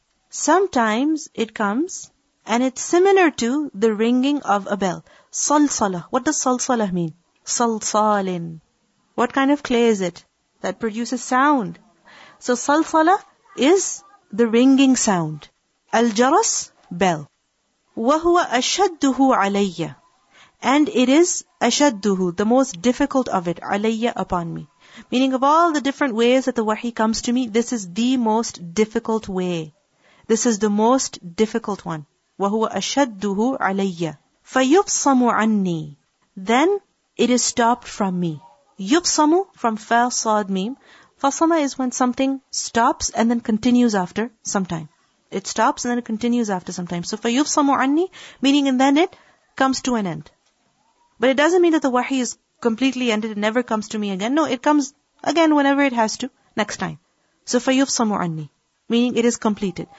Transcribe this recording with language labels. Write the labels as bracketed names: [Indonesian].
[English] Sometimes it comes, and it's similar to the ringing of a bell. صلصلة, what does صلصلة mean? [Arabic] صلصالٍ. [English] What kind of clay is it that produces sound? So صلصلة is the ringing sound. [Arabic] الجرس, bell. وهو أشده عليّ. [English] And it is ashadduhu, the most difficult of it, alayya, upon me. Meaning of all the different ways that the wahi comes to me, this is the most difficult way. This is the most difficult one. [Arabic] وَهُوَ أَشَدُّهُ عَلَيَّ فَيُفْصَمُ عَنِّي. [English] Then it is stopped from me. [Arabic] يُفْصَمُ from فَا صَاد مِيم. [English] فَصَمَ is when something stops and then continues after some time. It stops and then it continues after some time. So [Arabic] فَيُفْصَمُ عَنِّي, [English] meaning and then it comes to an end. But it doesn't mean that the wahi is completely ended, it never comes to me again. No, it comes again whenever it has to, next time. So [Arabic] فَيُفْصَمُ عَنِّي, [English] meaning it is completed.